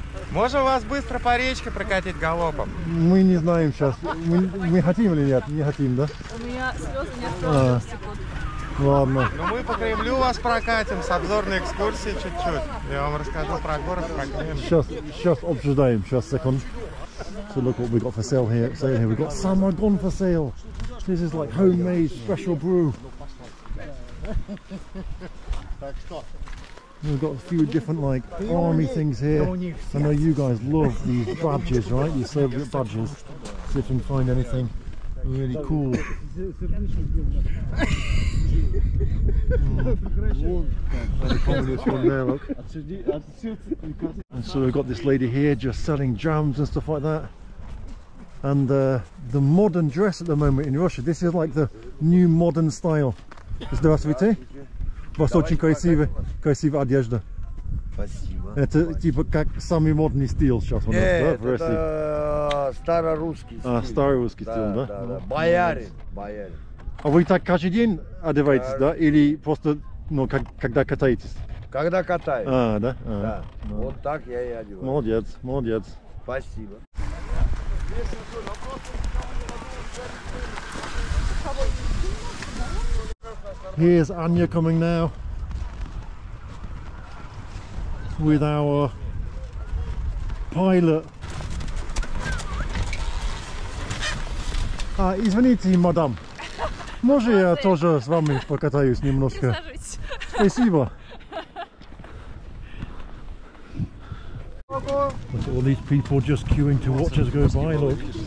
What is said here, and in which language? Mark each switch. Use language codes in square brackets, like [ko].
[ru] Можем вас быстро по речке прокатить галопом? Мы не знаем сейчас. Мы хотим или нет? Не хотим, да? У меня слезы не остались. Ладно. Ну мы по Кремлю вас прокатим с обзорной экскурсией чуть-чуть. Я вам расскажу про город, про Кремль. Сейчас обсуждаем. Сейчас, second. [en] So look what we got for sale here. Sale here. We got Samagon for sale. This is like homemade special brew. We've got a few different like army things here. I know you guys love these badges, right? You serve your badges. See if you can find anything really cool. And so we've got this lady here just selling jams and stuff like that. And the modern dress at the moment in Russia, this is like the new modern style. [ru] Здравствуйте. Вас очень красивая одежда. Спасибо. Это типа как самый модный стиль сейчас у нас, да, в России? Нет, старорусский стиль. А, старорусский стиль, да? Боярин. А вы так каждый день одеваетесь, да? Или просто, ну, когда катаетесь? Когда катаюсь. А, да? Да. Вот так я и одеваюсь. Молодец. Спасибо. [en] Here's Anya coming now with our pilot. [ru] Извините, мадам. Может, я тоже с вами покатаюсь немножко? Спасибо. [en] Look at all these people just queuing to watch us go by, look.